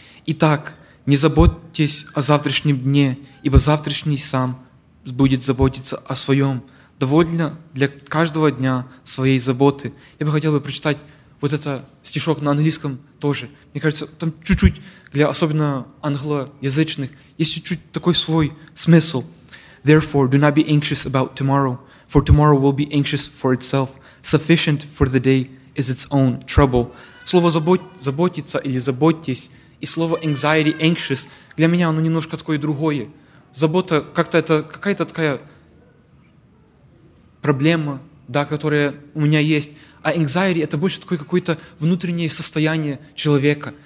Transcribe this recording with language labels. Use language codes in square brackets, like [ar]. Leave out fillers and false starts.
[ru] Итак, не заботьтесь о завтрашнем дне, ибо завтрашний сам будет заботиться о своем. Довольно для каждого дня своей заботы. Я бы хотел прочитать вот этот стишок на английском тоже. Мне кажется, там чуть-чуть для особенно англоязычных есть чуть-чуть такой свой смысл. [en] Therefore, do not be anxious about tomorrow, for tomorrow will be anxious for itself. Sufficient for the day is its own trouble. [ru] Слово «заботиться» или «заботьтесь» и слово «anxiety», «anxious» для меня оно немножко такое другое. Забота как-то это какая-то такая проблема, да, которая у меня есть. А anxiety — это больше такое какое-то внутреннее состояние человека.